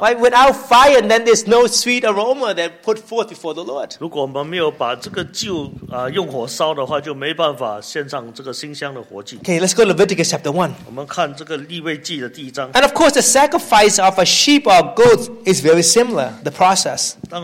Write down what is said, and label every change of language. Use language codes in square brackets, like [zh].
[en] Right, without fire, then there's no sweet aroma that put forth before the Lord. [zh] 如果我们没有把这个旧用火烧的话，就没办法献上这个馨香的活祭。 [en] Okay, let's go to Leviticus chapter 1. [zh] 我们看这个利未记的第一章。 [en] And of course, the sacrifice of a sheep or goat is very similar, the process.